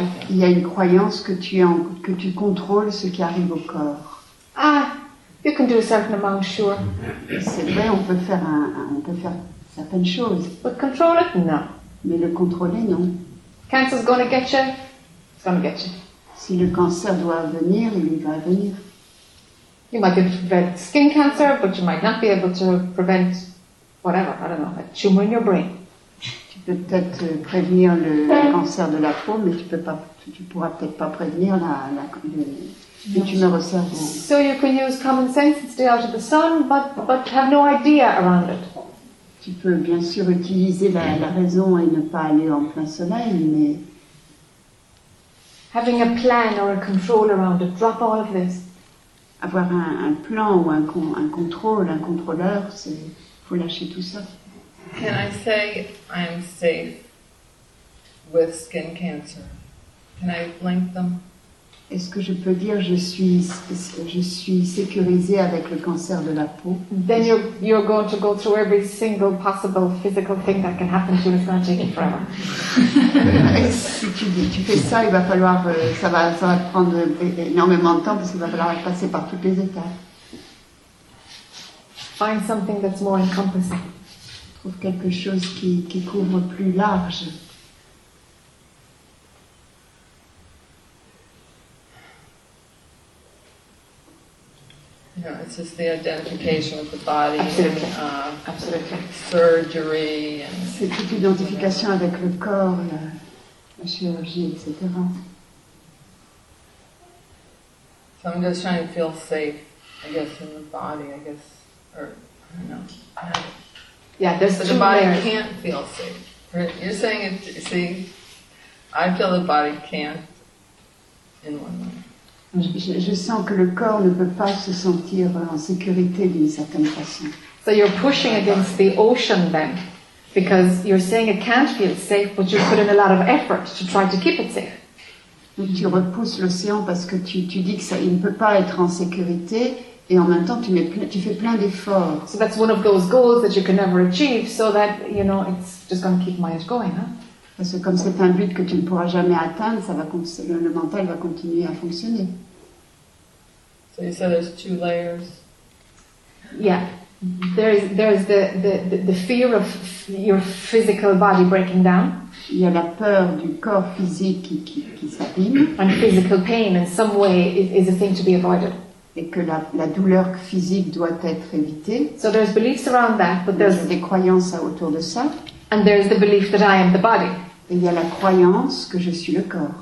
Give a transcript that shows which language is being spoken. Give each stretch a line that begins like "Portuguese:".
French: Il y a une croyance que tu contrôles ce qui arrive au corps.
English: Ah, you can do a certain amount, sure.
French: C'est vrai, on peut faire certaines choses.
English: But control it? No.
French: Mais le contrôler, non.
English: Cancer's gonna get you. It's gonna get you.
French: Si le cancer doit venir, il va venir.
English: You might be able to prevent skin cancer, but you might not be able to prevent whatever, I don't know, a tumor in your brain.
French: Tu peux peut-être prévenir le cancer de la peau, mais tu pourras peut-être pas prévenir la tumeur au cerveau.
English: So you can use common sense and stay out of the sun, but have no idea around it.
French: Tu peux bien sûr utiliser la raison et ne pas aller en plein soleil, mais
English: having a plan or a control around it, drop all of this.
French: Avoir un plan ou un contrôleur, c'est faut lâcher tout ça.
English: Can I say I'm safe with skin cancer? Can I link them?
French: Est-ce que je peux dire je suis sécurisée avec le cancer de la peau?
English: Then you're going to go through every single possible physical thing that can happen to you. It's not taking forever.
French: Si tu fais ça, il va falloir ça va prendre énormément de temps parce qu'il va falloir passer par toutes les étapes.
English: Find something that's more encompassing.
French: Trouve quelque chose qui couvre plus large.
English: Yeah, it's just the identification with the body. Absolutely. Surgery.
French: C'est toute l'identification avec le corps, la chirurgie, etc.
English: So I'm just trying to feel safe, I guess, in the body, I guess, or I don't know. Yeah, there's the body can't feel safe. You're saying it. See, I feel the body can't in one way.
French: Je sens que le corps ne peut pas se sentir en sécurité d'une certaine façon.
English: So you're pushing against the ocean then, because you're saying it can't feel safe, but you put in a lot of effort to try to keep it safe.
French: Donc tu repousses l'océan parce que tu dis que ça il ne peut pas être en sécurité et en même temps tu fais plein d'efforts.
English: So that's one of those goals that you can never achieve, so that you know it's just going to keep my head going, huh?
French: Parce que comme c'est un but que tu ne pourras jamais atteindre, ça va le mental va continuer à fonctionner.
English: So you said there's two layers. Yeah, there's the fear of your physical body breaking down.
French: Il y a la peur du corps physique qui s'abîme.
English: And physical pain in some way is a thing to be avoided.
French: Et que la douleur physique doit être évitée.
English: So there's beliefs around that, but there's
French: des croyances autour de ça.
English: And there's the belief that I am the body.
French: Il y a la croyance que je suis le corps.